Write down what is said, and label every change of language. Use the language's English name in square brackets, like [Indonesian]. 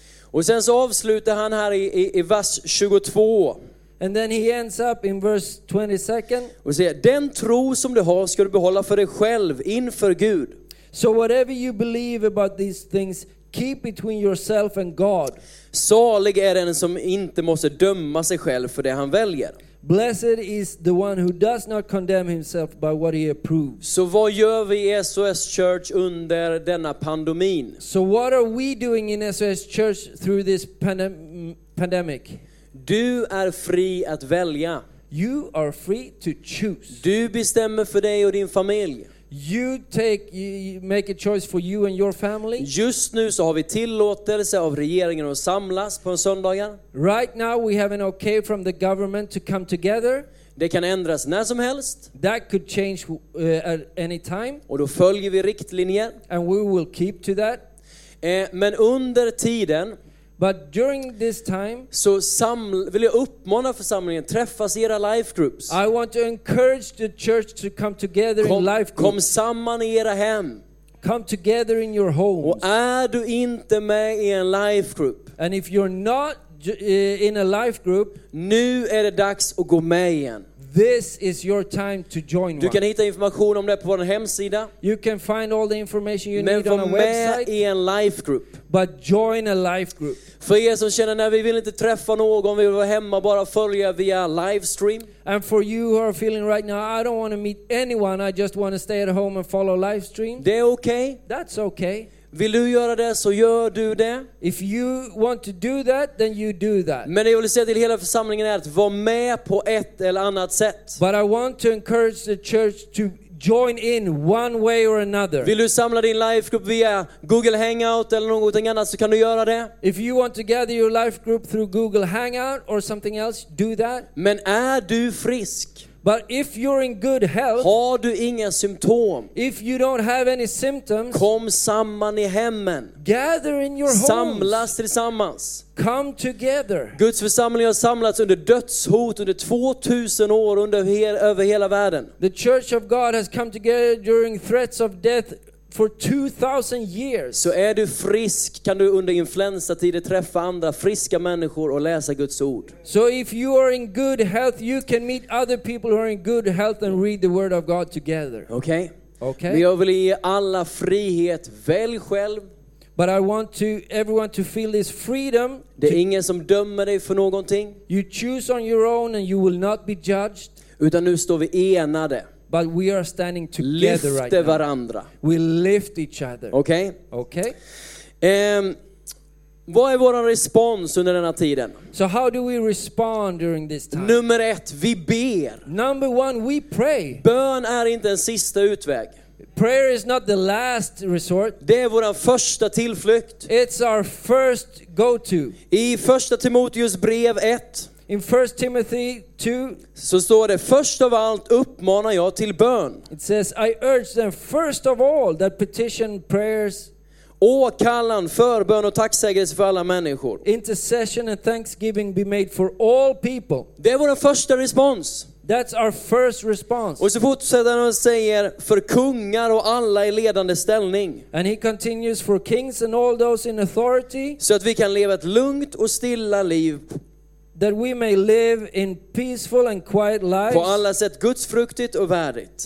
[Swedish] Och sen så avslutar han här i vers 22. [English] And then he ends up in verse 22. [Swedish] Och säger, den tro som du har ska du behålla för dig själv inför Gud. [English] So whatever you believe about these things, keep between yourself and God. [Swedish] Salig är den som inte måste döma sig själv för det han väljer. [English] Blessed is the one who does not condemn himself by what he approves. [Swedish] Så vad gör vi i SOS Church under denna pandemin? [English] So what are we doing in SOS Church through this pandemic? [Swedish] Du är fri att välja. [English] You are free to choose. [Swedish] Du bestämmer för dig och din familj. [English] You make a choice for you and your family. [Swedish] Just nu så har vi tillåtelse av regeringen att samlas på en söndag. [English] Right now we have an okay from the government to come together. [Swedish] Det kan ändras när som helst. [English] That could change at any time. [Swedish] Och då följer vi riktlinjer. [English] And we will keep to that. [Swedish] Men under tiden. [English] But during this time, [Swedish] så vill jag uppmana församlingen träffas i era life groups. [English] I want to encourage the church to come together in life groups. [Swedish] Kom samman i era hem. [English] Come together in your homes. [Swedish] Och är du inte med i en life group? [English] And if you're not in a life group, [Swedish] nu är det dags att gå med igen. [English] This is your time to join [Swedish] one. Du kan hitta information om det på vår hemsida. [English] You can find all the information you need on our [Swedish] website. Men i en life group. [English] But join a life group. [Swedish] För er som känner när vi vill inte träffa någon, vi vill vara hemma, bara följa via live stream. [English] And for you who are feeling right now, I don't want to meet anyone, I just want to stay at home and follow live stream. [Swedish] Det är okej. [English] That's okay. [Swedish] Vill du göra det så gör du det. [English] If you want to do that, then you do that. [Swedish] Men jag vill säga till hela församlingen är att vara med på ett eller annat sätt. [English] But I want to encourage the church to join in one way or another. [Swedish] Vill du samla din life group via Google Hangout eller något annat så kan du göra det. [English] If you want to gather your life group through Google Hangout or something else, do that. [Swedish] Men är du frisk? [English] But if you're in good health, [Swedish] har du inga symptom? [English] If you don't have any symptoms, [Swedish] kom samman i hemmen. [English] Gather in your homes. [Swedish] Samlas tillsammans. [English] Come together. [Swedish] Guds församling har samlats under dödshot under 2000 år över hela världen. [English] The church of God has come together during threats of death for 2000 years. [Swedish] Så är du frisk kan du under influensatider träffa andra friska människor och läsa Guds ord. [English] So if you are in good health, you can meet other people who are in good health and read the word of God together. [Swedish] Okej. [English] Okay. [Swedish] Okay. Vi vill ge alla frihet, välj själv. [English] But I want to everyone to feel this freedom. [Swedish] Det är ingen som dömer dig för någonting. [English] You choose on your own and you will not be judged. [Swedish] Utan nu står vi enade. [English] But we are standing together right now. [Swedish] Varandra. [English] We lift each other. Okay. Okay. [Swedish] Vad är våran respons under denna tiden? [English] So how do we respond during this time? [Swedish] Nummer ett, vi ber. [English] Number one, we pray. [Swedish] Bön är inte en sista utväg. [English] Prayer is not the last resort. [Swedish] Det är våran första tillflykt. [English] It's our first go-to. [Swedish] I första Timoteus brev 1. [English] In 1 Timothy 2 [Swedish] så står det först av allt uppmanar jag till bön. [English] It says I urge them first of all that petition, prayers, [Swedish] åkallan, förbön och tacksägelse för alla människor. [English] Intercession and thanksgiving be made for all people. [Swedish] Det var vår första respons. [English] That's our first response. [Swedish] Och så fortsätter han och säger för kungar och alla i ledande ställning. [English] And he continues for kings and all those in authority. [Swedish] Så att vi kan leva ett lugnt och stilla liv. [English] That we may live in peaceful and quiet lives. [Swedish] På alla sätt gudsfruktigt och värdigt.